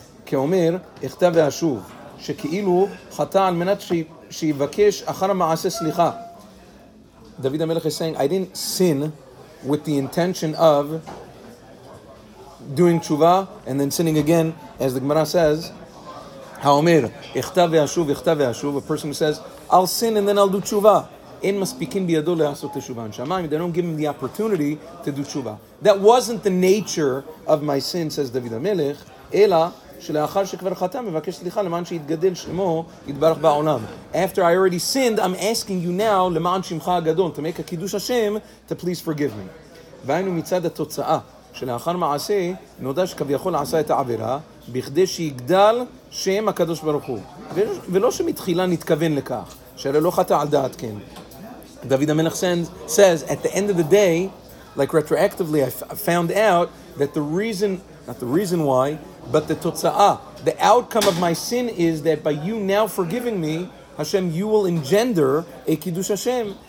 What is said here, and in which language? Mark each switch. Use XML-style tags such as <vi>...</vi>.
<he>כאומר, אכתב ואשוב, שכאילו חטא על מנת שיבקש אחר המעשה סליחה.</he> <en>דוד המלך is saying, I didn't sin with the intention of doing תשובה and then sinning again, as the Gemara says. האומר, אכתב ואשוב, אכתב ואשוב, a person who says, I'll sin and then I'll do תשובה.</en> <he>אין מספיקים בידו לעשות את התשובה.</he> <en>שמיים, they don't give him the opportunity to do תשובה. That wasn't the nature of my sin, says</en> <he>דוד המלך, אלא, שלאחר שכבר חטא, מבקש סליחה למען שיתגדל שמו, יתברך בעולם.</he> <en>After I already sinned, I'm asking you now,</en> <he>למען שמך הגדול,</he> <en>to make a קידוש השם, to please forgive me.</en> <he>והיינו מצד התוצאה, שלאחר מעשה, נודע שכביכול עשה את העבירה, בכדי שיגדל שם הקדוש ברוך הוא. ולא שמתחילה נתכוון לכך, שאלה לא חטא על דעת כן.</he> <en>דוד המלך says, at the end of the day, like retroactively, I found out that the reason, not the reason why, but the tutsa'ah, the outcome of my sin is that by you now forgiving me, Hashem, you will engender a Kiddush Hashem.</en>